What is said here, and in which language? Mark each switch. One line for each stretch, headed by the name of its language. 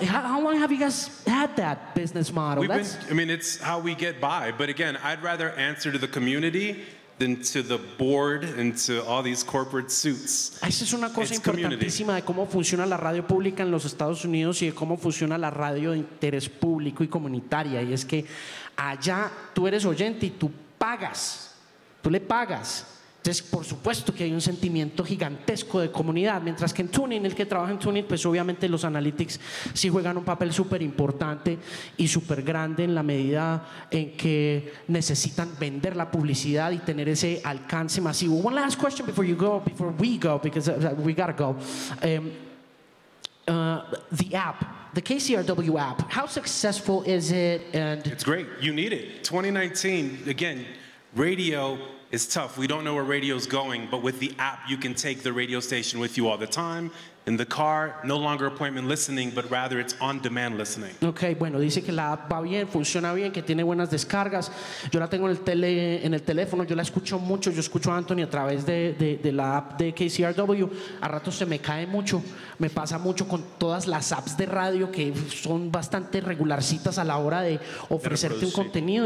English: How long have you guys had that business model? It's how we get by. But again, I'd rather answer to the community than to the board and to all these corporate suits.
Spanish: Esa es una cosa importantísima de cómo funciona la radio pública en los Estados Unidos y de cómo funciona la radio de interés público y comunitaria. Y es que allá tú eres oyente y tú pagas. Tú le pagas. Entonces, por supuesto que hay un sentimiento gigantesco de comunidad, mientras que en TuneIn, el que trabaja en TuneIn, pues obviamente los analytics sí juegan un papel súper importante y súper grande en la medida en que necesitan vender la publicidad y tener ese alcance masivo.
English: One last question before we go, the app, the KCRW app, how successful is it? And it's great. You need it. 2019, again, radio. It's tough. We don't know where radio's going, but with the app, you can take the radio station with you all the time. In the car, no longer appointment listening, but rather it's on-demand listening.
Spanish: Okay, bueno, dice que la app va bien, funciona bien, que tiene buenas descargas. Yo la tengo en el teléfono, yo la escucho mucho, yo escucho a Anthony a través de la app de KCRW. A ratos se me cae mucho, me pasa mucho con todas las apps de radio que son bastante regularcitas a la hora de ofrecerte un contenido.